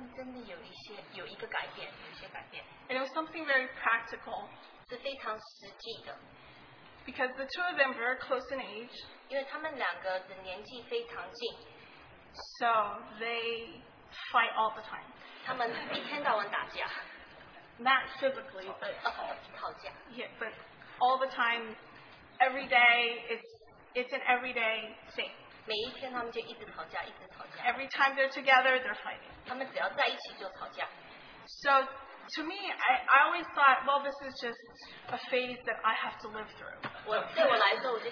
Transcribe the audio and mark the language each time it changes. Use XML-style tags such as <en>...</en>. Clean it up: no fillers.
<zh>那我就真的后来发现，其实他们真的有一些有一个改变，有一些改变。</zh> <en>And it was something very practical.</en> <zh>是非常实际的。</zh> <en>Because the two of them were close in age.</en> <zh>因为他们两个的年纪非常近,</zh> <en>so they fight all the time.</en> <zh>他们一天到晚打架,</zh> <en>not physically, but</en> <zh>吵架,</zh> <en>yeah, but all the time, every day, it's an everyday thing.</en> <zh>每一天他们就一直吵架, 一直吵架,</zh> <en>every time they're together, they're fighting.</en> <zh>他们只要在一起就吵架,</zh> <en>so to me, I always thought, well, this is just a phase that I have to live through.</en>